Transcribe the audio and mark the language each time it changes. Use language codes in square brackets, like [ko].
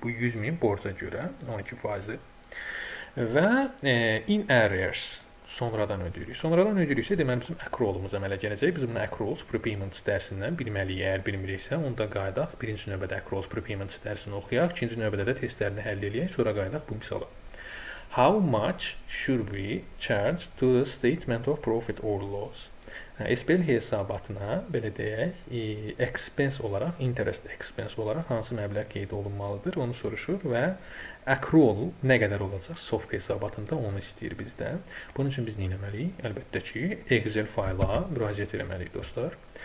[az] Bu 100 min borca görə 12 faizi. Və in arrears sonradan ödəyirik. Sonradan ödəyiriksə deməli bizim accrualımız əmələ gələcək. Biz bunu accruals prepayments dərsindən bilməliyik. Əgər bilmiriksə onda qayıdaq birinci növbədə accruals prepayments dərsini oxuyaq. İkinci növbədə də testlərini həll eləyək. Sonra qayıdaq bu misala. [en] How much should we charge to the statement of profit or loss? [az] SPL hesabatına belə deyək, expense olaraq, interest expense olaraq hansı məbləğ qeyd olunmalıdır? Onu soruşur və accrual nə qədər olacaq soft hesabatında onu istəyir bizdən. Bunun üçün biz nə etməliyik? Əlbəttə ki, Excel fayla müraciət etməliyik dostlar.